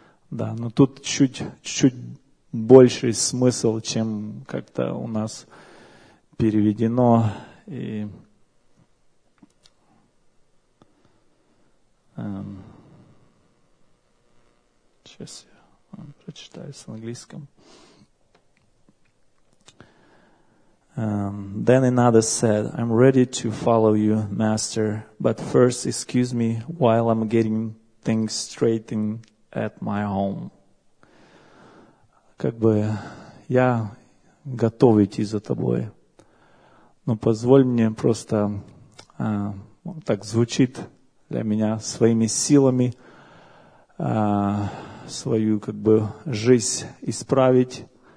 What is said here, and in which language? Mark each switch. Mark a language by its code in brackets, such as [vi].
[ru] Да, но тут чуть-чуть больший смысл, чем как-то у нас переведено. И сейчас я прочитаю с английском. [en] Then another said, I'm ready to follow you, master, but first excuse me while I'm getting things straightened at my home. [ru] Как бы я готов идти за тобой, но позволь мне просто, так звучит для меня, своими силами свою как бы жизнь исправить.